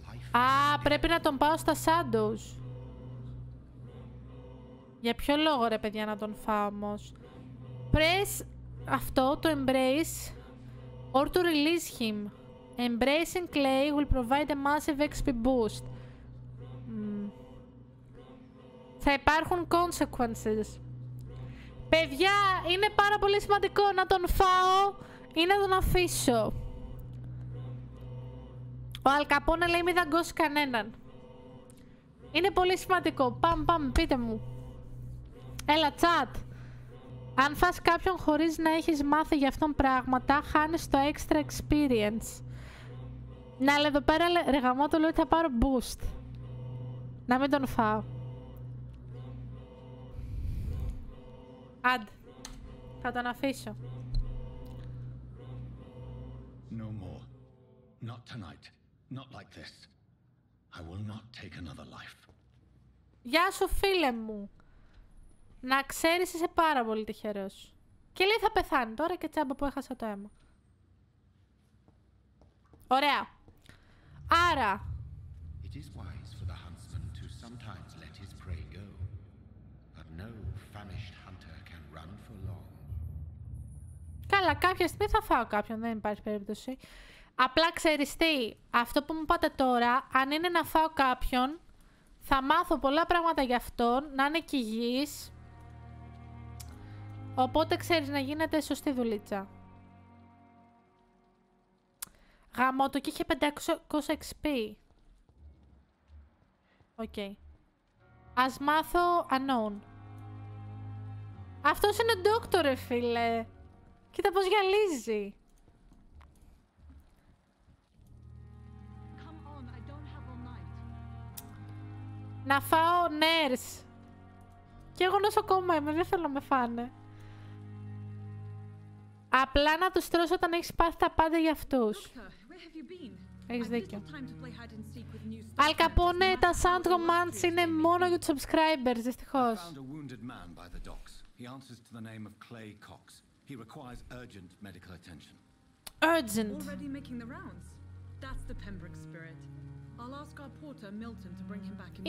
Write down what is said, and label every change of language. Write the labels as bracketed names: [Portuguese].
[Greek] Α, πρέπει να τον πάω στα Shadows. Για ποιο λόγο ρε παιδιά να τον φάω όμως. [English] Press [Greek] αυτό το [English] embrace or to release him. Embracing Clay will provide a massive XP boost. [Greek] Θα υπάρχουν consequences. Παιδιά, είναι πάρα πολύ σημαντικό να τον φάω ή να τον αφήσω. Ο Αλ Καπόνε λέει μη δαγκώσει κανέναν. Είναι πολύ σημαντικό. Παμ παμ, πείτε μου. Έλα, chat. Αν φας κάποιον χωρίς να έχεις μάθει για αυτόν πράγματα, χάνεις το extra experience. Ναι, αλλά εδώ πέρα ρε γαμώτο λέω ότι θα πάρω boost. Να μην τον φάω. Αντ. Θα τον αφήσω. [English] No more. Not tonight. Not like this. I will not take another life. [Greek] Γεια σου φίλε μου. Να ξέρεις είσαι πάρα πολύ τυχερός. Και λέει θα πεθάνει τώρα και τσάμπα που έχασα το αίμα. Ωραία. Άρα. [English] It is wise for the huntsman to sometimes let his prey go. But no famished hunter can run for long. [Greek] Καλά, κάποια στιγμή θα φάω κάποιον, δεν υπάρχει περίπτωση. Απλά ξέρεις τι, αυτό που μου πάτε τώρα, αν είναι να φάω κάποιον, θα μάθω πολλά πράγματα για αυτόν, να είναι κι υγιής. Οπότε ξέρεις να γίνεται σωστή δουλίτσα. Γαμώτο και είχε 500 XP. Okay. Ας μάθω unknown. Αυτός είναι ντόκτορ, φίλε. Κοίτα πως γυαλίζει. Να φάω nurse. Και εγώ νοσοκόμα είμαι, δεν θέλω να με φάνε. Απλά να τους τρώσω όταν έχεις πάθει τα πάντα για αυτούς. Έχεις δίκιο. Αλ Καπόνε, τα sound commands είναι μόνο για τους subscribers, δυστυχώς. [English] I found a wounded man by the docks. He answers to the name of Clay Cox. He requires urgent medical attention. Urgent. Already making the rounds. That's the Pembroke spirit. I'll ask our porter Milton to bring him back in.